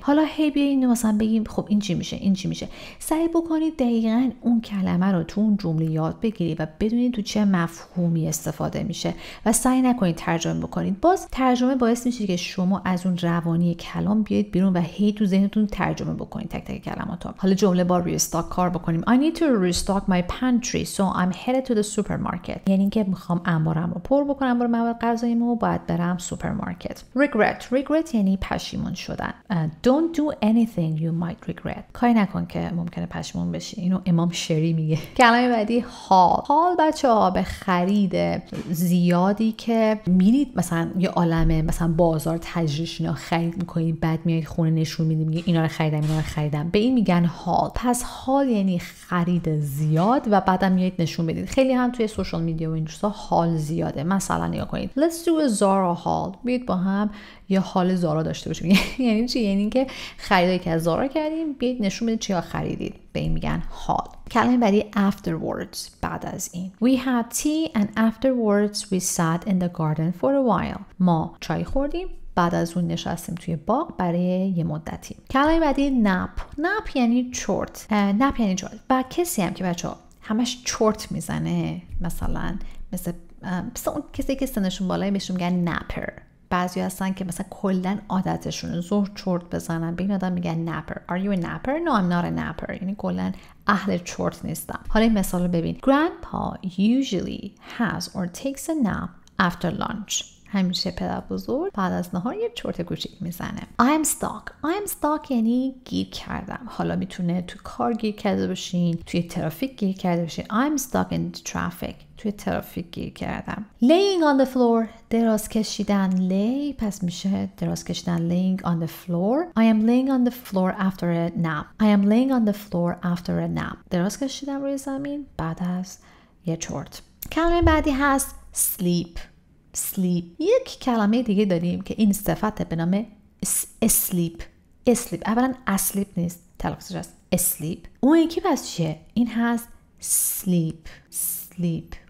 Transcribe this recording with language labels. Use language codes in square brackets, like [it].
[fa] حالا هی بیا اینو مثلا بگیم خب این چی میشه، این چی میشه. سعی بکنید دقیقاً اون کلمه رو تو اون جمله یاد بگیری و بدونید تو چه مفهومی استفاده میشه و سعی نکنید ترجمه بکنید. باز ترجمه باعث میشه که شما از اون روانی کلام بیاید بیرون و هی تو ذهنتون ترجمه بکنید تک تک کلماتو. حالا جمله با ریستاک کار بکنیم. [en] I need to restock my pantry so I'm headed to the supermarket. [fa] یعنی اینکه میخوام انبارم رو پر بکنم برای مواد غذاییمو و باید برم سوپرمارکت. [en] Regret [fa] یعنی پشیمون شدن. [en] Don't do anything you might regret. [fa] کاری نکن که ممکنه پشیمون بشی. اینو امام شری میگه. کلمه بعدی haul. haul بچه‌ها به خرید زیادی که میرید مثلا یه عالمه مثلا بازار تجریش اینا خرید میکنید، بعد میایید خونه نشون میدید میگه اینا رو خریدم، اینا رو خریدم. به این میگن haul. پس haul یعنی خرید زیاد و بعدم میایید نشون میدید. خیلی هم توی سوشال میدیا و این چیزا haul زیاده. مثلا نگاه کنید. [en] Let's do a Zara haul. [fa] بیاید با هم یه حال زارا داشته باشیم. یعنی چی؟ یعنی که خریدی که از زارا کردیم بیاید نشون بده چی ها خریدید. به این میگن حال. کلمه بعدی afterwards، بعد از این. [en] We had tea and afterwards we sat in the garden for a while. [fa] ما چای خوردیم بعد از اون نشستیم توی باغ برای یه مدتی. کلمه بعدی nap. nap یعنی چورت. nap یعنی چورت. و کسی هم که بچه ها همش چورت میزنه، مثلا مثل اون کسی که سنشون بالای میشه میگن napper. بعضی هستن که مثلا کلن عادتشون زهر چورت بزنن. به این آدم میگن napper. [en] Are you a napper? No, I'm not a napper. [fa] یعنی کلن اهل چورت نیستم. حالا این مثال رو ببین. [en] Grandpa usually has or takes a nap after lunch. [fa] همیشه پدر بزرگ بعد از نهار یه چورت کوچیک میزنه. [en] I'm stuck. I'm stuck [fa] یعنی گیر کردم. حالا میتونه تو کار گیر کرده باشین، توی ترافیک گیر کرده باشین. [en] I'm stuck in the traffic. [fa] توی ترافیک گیر کردم. [en] Laying on the floor، [fa] دراز کشیدن. lay پس میشه دراز کشیدن. [en] Laying on the floor. I am laying on the floor after a nap. I am laying on the floor after a nap. [fa] دراز کشیدم روی زمین بعد از یه چورت. کلمه بعدی هست sleep. sleep. یک کلمه دیگه داریم که این صفت به نام sleep. sleep. اولا asleep نیست. تلفظش هست. sleep. اون یکی پس چیه؟ این هست sleep. sleep.